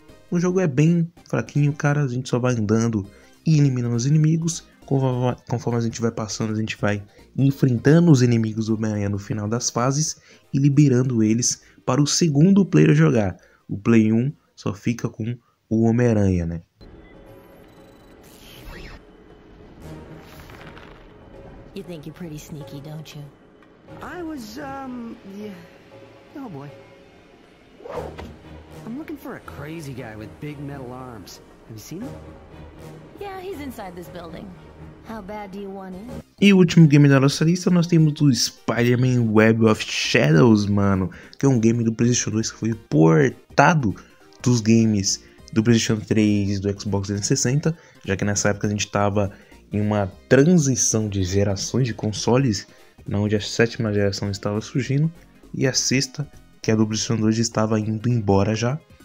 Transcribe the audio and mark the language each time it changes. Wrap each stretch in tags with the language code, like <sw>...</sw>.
<pt>O jogo é bem fraquinho, cara, a gente só vai andando e eliminando os inimigos. Conforme a gente vai passando, a gente vai enfrentando os inimigos do Homem-Aranha no final das fases e liberando eles para o segundo player jogar. O Play 1 só fica com o Homem-Aranha, né?</pt> <en>You think you're pretty sneaky, don't you? I was yeah. Oh boy. I'm looking for a crazy guy with big metal arms. Have you seen him? Yeah, he's inside this building. How bad do you want him?</en> <pt>E o último game da nossa lista, nós temos o Spider-Man Web of Shadows, mano. Que é um game do PlayStation 2 que foi portado dos games do PlayStation 3 e do Xbox 360. Já que nessa época a gente estava em uma transição de gerações de consoles, onde a sétima geração estava surgindo e a sexta, que a do PlayStation 2 estava indo embora já.</pt>